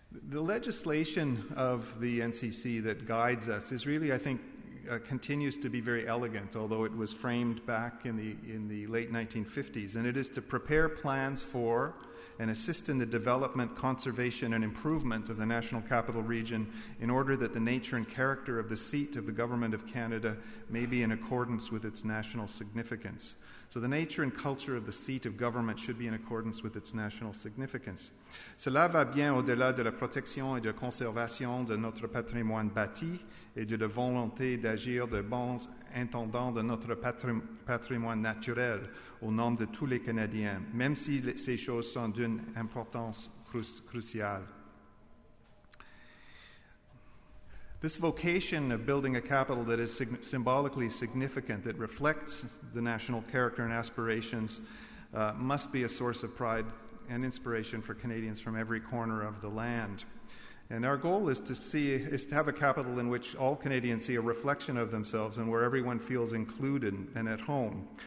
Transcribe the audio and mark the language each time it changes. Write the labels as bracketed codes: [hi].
[en] The legislation of the NCC that guides us is really, I think, continues to be very elegant, although it was framed back in the late 1950s, and it is to prepare plans for and assist in the development, conservation, and improvement of the National Capital Region in order that the nature and character of the seat of the Government of Canada may be in accordance with its national significance. So the nature and culture of the seat of government should be in accordance with its national significance. [fr] Cela va bien au-delà de la protection et de la conservation de notre patrimoine bâti et de la volonté d'agir de bons intendants de notre patrimoine naturel au nom de tous les Canadiens, même si ces choses sont d'une importance cruciale. [en] This vocation of building a capital that is symbolically significant, that reflects the national character and aspirations, must be a source of pride and inspiration for Canadians from every corner of the land. And our goal is to have a capital in which all Canadians see a reflection of themselves and where everyone feels included and at home.